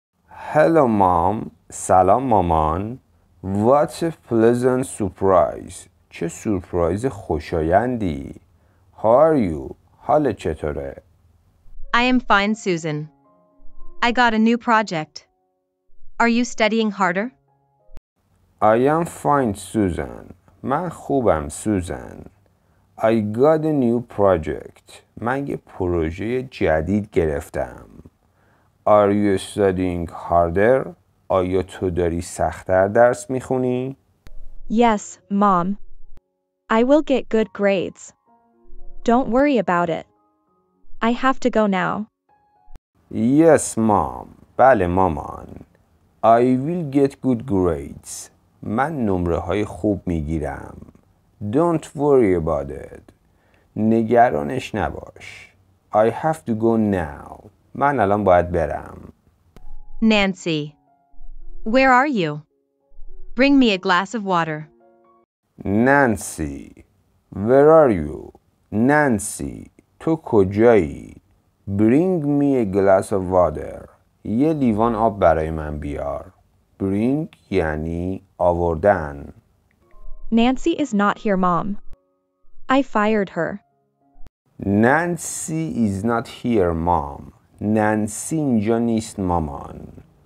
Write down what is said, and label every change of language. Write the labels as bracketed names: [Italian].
[English] Hello mom. [Persian] سلام مامان. [English] What a pleasant surprise. [Persian] چه سورپرایز خوشایندی. [English] How are you? [Persian] حال چطوره؟ [English] I am fine, Susan. I got a new project. Are you studying harder? I am fine, Susan. [Persian] من خوبم, Susan. [English] I got a new project. [Persian] من یه پروژه جدید گرفتم. [English] Are you studying harder? [Persian] آیا تو داری سخت‌تر درس می‌خونی؟ [English] Yes, Mom. I will get good grades. Don't worry about it. I have to go now. Yes, Mom. [Persian] بله, مامان. [English] I will get good grades. [Persian] من نمره‌های خوب می‌گیرم. [English] Don't worry about it. [Persian] نگرانش نباش. [English] I have to go now. [Persian] من الان باید برم. [English] Nancy. Where are you? Bring me a glass of water. Nancy. Where are you? Nancy. [Persian] تو کجایی? [English] Bring me a glass of water. [Persian] یه لیوان آب برای من بیار. Bring یعنی آوردن. [English] Nancy is not here, Mom. I fired her. Nancy is not here, Mom. [Persian] Nancy اینجا نیست, مامان.